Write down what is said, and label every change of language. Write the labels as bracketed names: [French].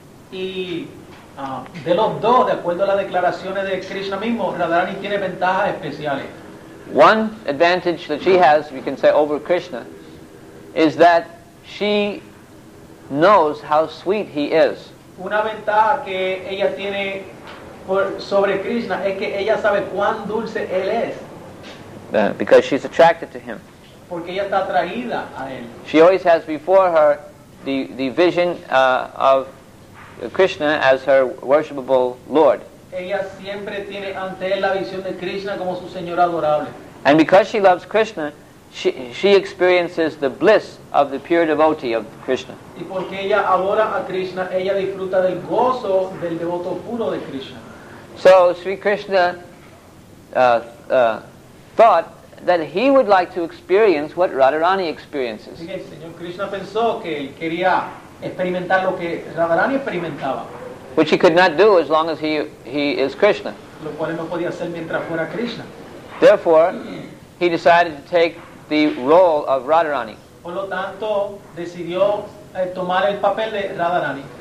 [Spanish] Y de los dos, de acuerdo a las declaraciones de Krishna mismo, Radharani tiene ventajas especiales. [English] One advantage that she has, we can say, over Krishna, is that she knows how sweet he is. [Spanish] Una ventaja que ella tiene sobre Krishna es que ella sabe cuán dulce él es. [English] Because she's attracted to him. [Spanish] Porque ella está atraída a él. [English] She always has before her the vision of Krishna as her worshipable Lord. [Spanish] Ella siempre tiene ante él la visión de Krishna como su Señor adorable. [English] And because she loves Krishna, she experiences the bliss of the pure devotee of Krishna. [Spanish] Y porque ella adora a Krishna, ella disfruta del gozo del devoto puro de Krishna. [English] So, Sri Krishna thought that he would like to experience what Radharani experiences. [Spanish] Sí, el Señor Krishna pensó que él quería experimentar lo que Radharani experimentaba. [English] which he could not do as long as he is Krishna. [Spanish] Lo cual no podía hacer mientras fuera Krishna. [English] Therefore, he decided to take the role of Radharani. [Spanish] Por lo tanto, decidió tomar el papel de Radharani.